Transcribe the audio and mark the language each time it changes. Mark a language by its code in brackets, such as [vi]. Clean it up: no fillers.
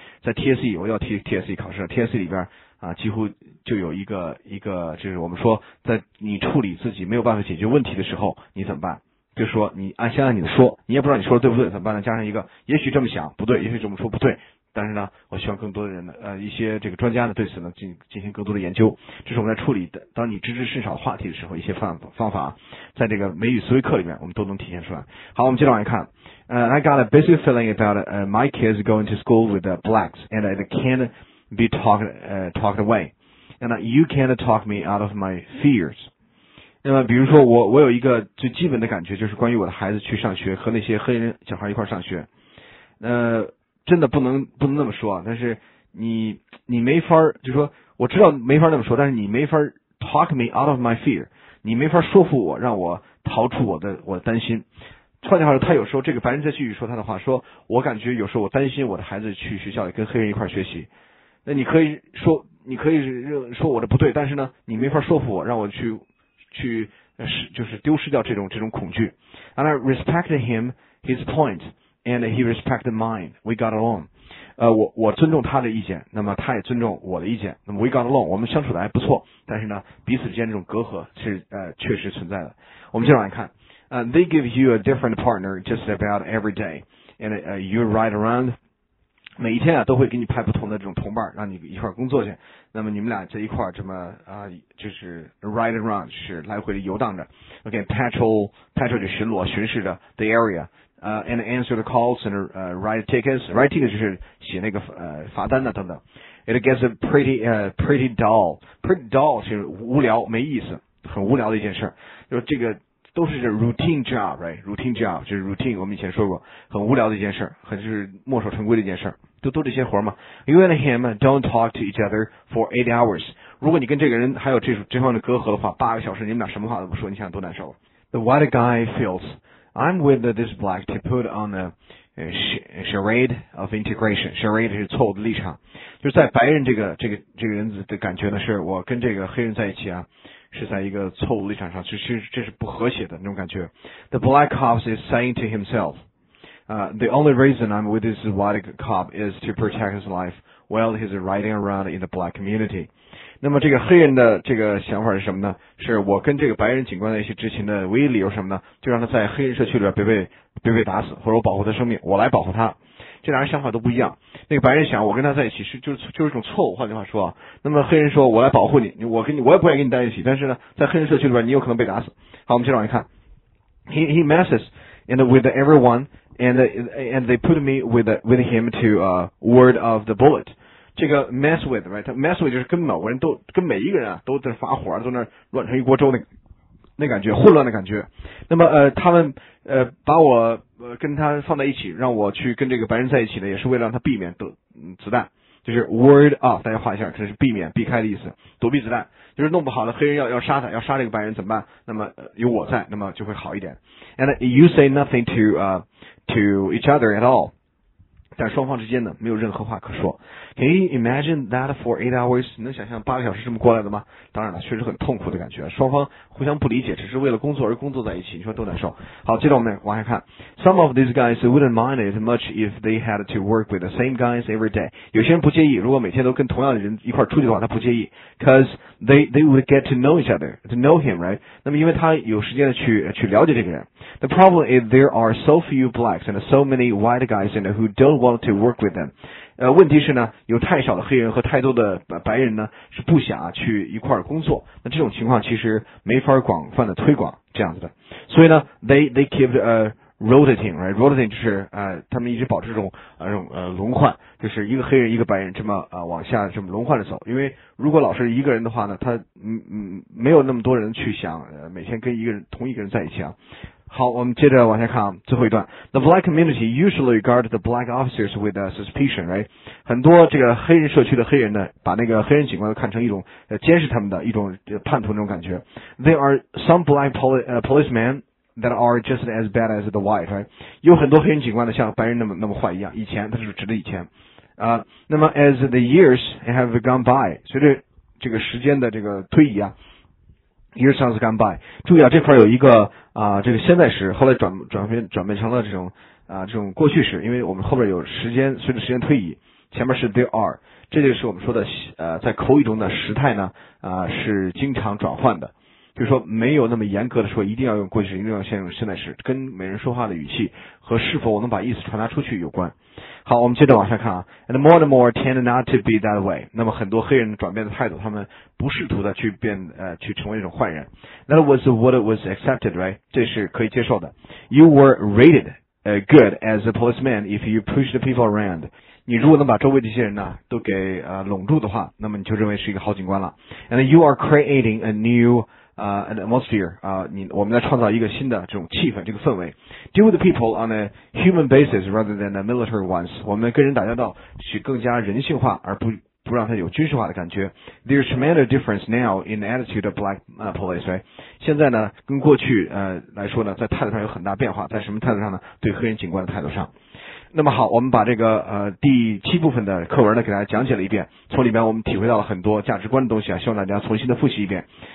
[zh] 在 TSE 我要提 TSE 考试， TSE 里边几乎就有一个就是我们说在你处理自己没有办法解决问题的时候你怎么办，就说你先按你的说，你也不知道你说的对不对，怎么办呢？加上一个，也许这么想不对，也许这么说不对，但是呢，我希望更多的人呢，一些这个专家呢，对此呢进行更多的研究。这是我们在处理的，当你知之甚少话题的时候，一些方法，在这个美语思维课里面，我们都能体现出来。好，我们接着往下看。 [en] I got a basic feeling about my kids going to school with blacks, and it can't be talked away, and you can't talk me out of my fears. [zh] 那么比如说我有一个最基本的感觉，就是关于我的孩子去上学和那些黑人小孩一块上学，真的不能那么说，但是你没法，就是说我知道没法那么说，但是你没法 [en] talk me out of my fear， [zh] 你没法说服我让我逃出我的担心。换句话说，他有时候这个白人在继续说他的话，说我感觉有时候我担心我的孩子去学校里跟黑人一块学习，那你可以说我的不对，但是呢你没法说服我让我去就是丢失掉这种恐惧。 [en] And I respected him, his point, and he respected mine. We got along. [zh] 我尊重他的意见，那么他也尊重我的意见。那么 [en] we got along, [zh] 我们相处的还不错，但是呢彼此之间这种隔阂是确实存在的。我们接着来看。 [en] They give you a different partner just about every day, and you ride around. [zh] 每一天啊都会给你派不同的这种同伴让你一块工作去，那么你们俩在一块这么就是 [en] ride around， [zh] 就是来回的游荡着， OK, patrol 就巡逻巡视着 [en] the area, and answer the calls and write tickets [zh] 就是写那个罚单的等等。 [en] It gets pretty dull [zh] 是无聊没意思，很无聊的一件事，就是这个都是 [en] routine job, right? [zh] Routine job, 就是 routine, 我们以前说过，很无聊的一件事，很就是墨守成规的一件事，都这些活嘛。 [en] You and him don't talk to each other for 8 hours. [zh] 如果你跟这个人还有这方的隔阂的话，八个小时你们俩什么话都不说，你想多难受。 [en] The white guy feels, I'm with this black to put on a charade of integration. [zh] Charade 是错误的立场。就是在白人这个人的感觉呢，是我跟这个黑人在一起啊，是在一个错误立场上，这是不和谐的那种感觉。 [en] The black cop is saying to himself, the only reason I'm with this white cop is to protect his life while he's riding around in the black community. [zh] 那么这个黑人的这个想法是什么呢？是我跟这个白人警官的一些执勤的唯一理由是什么呢？就让他在黑人社区里边别被打死，或者我保护他生命，我来保护他。这两人想法都不一样。那个白人想，我跟他在一起是就是一种错误。换句话说，那么黑人说，我来保护你，我也不愿意跟你在一起。但是呢，在黑人社区里边，你有可能被打死。好，我们接着往下看。 [en] He messes and with everyone and they put me with him to word of the bullet. [zh] 这个 mess with right, mess with 就是跟每一个人啊都在发火，都在那乱成一锅粥的。那感觉混乱的感觉，那么他们把我跟他放在一起，让我去跟这个白人在一起呢，也是为了让他避免子弹，就是 word off， 大家画一下，这是避免避开的意思，躲避子弹，就是弄不好的黑人要杀他，要杀这个白人怎么办？那么有我在，那么就会好一点。 [en] And you say nothing to each other at all， [zh] 但双方之间呢没有任何话可说。 [en] Can you imagine that for 8 hours? [zh] 你能想象八个小时这么过来的吗？当然了，确实很痛苦的感觉。双方互相不理解，只是为了工作而工作在一起，你说多难受。好，接着我们往下看。 [en] Some of these guys wouldn't mind it much if they had to work with the same guys every day. [zh] 有些人不介意，如果每天都跟同样的人一块出去的话，他不介意。 [en] Cause they would get to know each other, to know him, right? [zh] 那么因为他有时间去了解这个人。 [en] The problem is there are so few blacks and so many white guys and who don't want to work with them. [zh] 问题是呢，有太少的黑人和太多的白人呢，是不想去一块儿工作。那这种情况其实没法广泛的推广这样子的。所以呢 ， [en] they keep rotating, right? [zh] Rotating 就是他们一直保持这种这种轮换，就是一个黑人一个白人这么往下这么轮换着走。因为如果老是一个人的话呢，他没有那么多人去想每天跟一个人同一个人在一起啊。好，我们接着往下看啊，最后一段。 [en] The black community usually regard the black officers with suspicion, right? [zh] 很多这个黑人社区的黑人呢，把那个黑人警官看成一种监视他们的一种叛徒那种感觉。 [en] There are some black policemen. That are just as bad as the white, right? [zh] 有很多黑人警官呢，像白人那么坏一样。以前，他是指的以前。那么 [en] as the years have gone by, [zh] 随着这个时间的这个推移啊 ， [en] years have gone by。 [zh] 注意啊，这块有一个这个现在时，后来转变成了这种过去时，因为我们后边有时间，随着时间推移，前面是 there are， 这就是我们说的在口语中的时态呢是经常转换的。就是说没有那么严格的说一定要用过去时，一定要先用现在时，跟每人说话的语气和是否我能把意思传达出去有关。好，我们接着往下看啊。 [en] And more and more tend not to be that way。 [zh] 那么很多黑人转变的态度，他们不试图的去变去成为那种坏人。 [en] That was what was accepted, right? [zh] 这是可以接受的。 [en] You were rated good as a policeman if you pushed people around。 [zh] 你如果能把周围这些人呢都给拢住的话，那么你就认为是一个好警官了。 [en] And you are creating a newan atmosphere, [zh] 我们在创造一个新的这种气氛，这个氛围。 [en] Deal with the people on a human basis rather than a military ones. [zh] 我们跟人打交道是更加人性化，而不让他有军事化的感觉。 [en] There's tremendous difference now in the attitude of black police, right? [zh] 现在呢，跟过去来说呢，在态度上有很大变化，在什么态度上呢？对黑人警官的态度上。那么好，我们把这个第七部分的课文呢给大家讲解了一遍，从里面我们体会到了很多价值观的东西啊，希望大家重新的复习一遍。